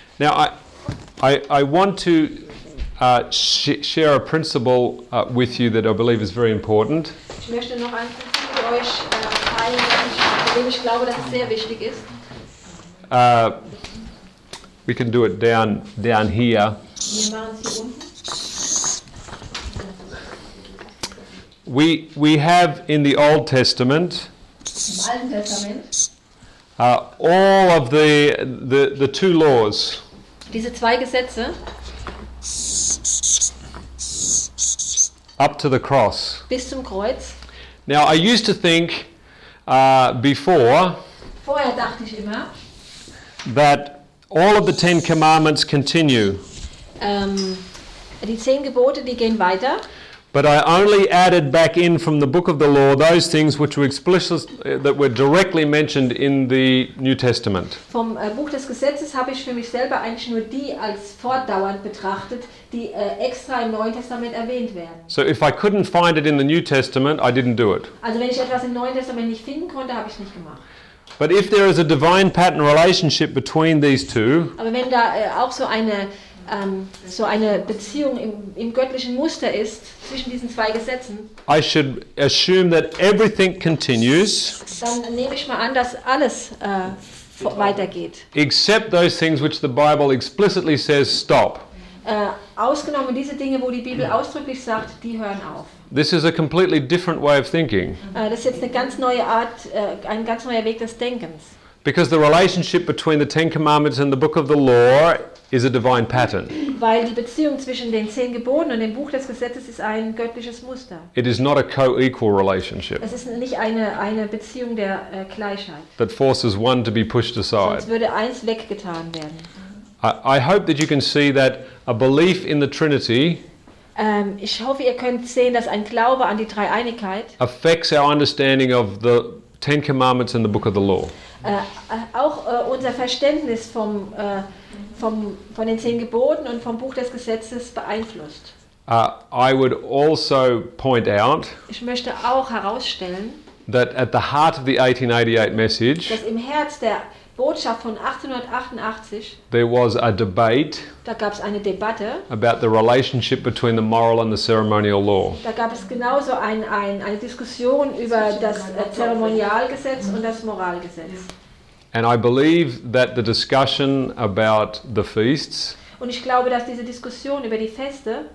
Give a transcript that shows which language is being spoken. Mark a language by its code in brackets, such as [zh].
[en] Now I want to share a principle with you that I believe is very important. [de] Ich möchte noch ein Prinzip mit euch teilen, dem ich glaube, dass es sehr wichtig ist. [en] We can do it down here. [de] Wir machen es hier unten. [en] We have in the Old Testament, [de] im Alten Testament, [en] all of the two laws. [de] Diese zwei Gesetze. [en] Up to the cross. [de] Bis zum Kreuz. [en] Now I used to think before. [de] Vorher dachte ich immer, [en] that all of the Ten Commandments continue. [de] Die zehn Gebote, die gehen weiter. [en] But I only added back in from the book of the law those things which were explicitly that were directly mentioned in the New Testament. [de] Vom Buch des Gesetzes habe ich für mich selber eigentlich nur die als fortdauernd betrachtet, die extra im Neuen Testament erwähnt werden. [en] So if I couldn't find it in the New Testament, I didn't do it. [de] Also wenn ich etwas im Neuen Testament nicht finden konnte, habe ich es nicht gemacht. [en] But if there is a divine pattern relationship between these two, [de] aber wenn da auch so eine Beziehung im göttlichen Muster ist zwischen diesen zwei Gesetzen, [en] I should assume that everything continues, [de] dann nehme ich mal an, dass alles weitergeht. [en] Except those things which the Bible explicitly says stop. [de] ausgenommen diese Dinge, wo die Bibel ausdrücklich sagt, die hören auf. [en] This is a completely different way of thinking. [de] Das ist jetzt eine ganz neue Art, ein ganz neuer Weg des Denkens. [en] Because the relationship between the Ten Commandments and the Book of the Law is a divine pattern. [de] Weil die Beziehung zwischen den Zehn Geboten und dem Buch des Gesetzes ist ein göttliches Muster. [en] It is not a co-equal relationship. [de] Es ist nicht eine Beziehung der Gleichheit. [en] That forces one to be pushed aside. [de] Sonst würde eins weggetan werden. [en] I hope that you can see that a belief in the Trinity. [de] Ich hoffe, ihr könnt sehen, dass ein Glaube an die Dreieinigkeit [en] affects our understanding of the Ten Commandments and the Book of the Law. [de] Auch unser Verständnis von den Zehn Geboten und vom Buch des Gesetzes beeinflusst. [en] I would also point out. [de] Ich möchte auch herausstellen, [en] that at the heart of the 1888 message. [de] Dass im Herz der Botschaft von 1888. [en] There was a debate. [de] Da gab es eine Debatte. [en] About the relationship between the moral and the ceremonial law. [de] Da gab es genauso eine Diskussion über das Zeremonialgesetz und das Moralgesetz. [en] And I believe that the discussion about the feasts. [de] Und ich glaube, dass diese Diskussion über die Feste.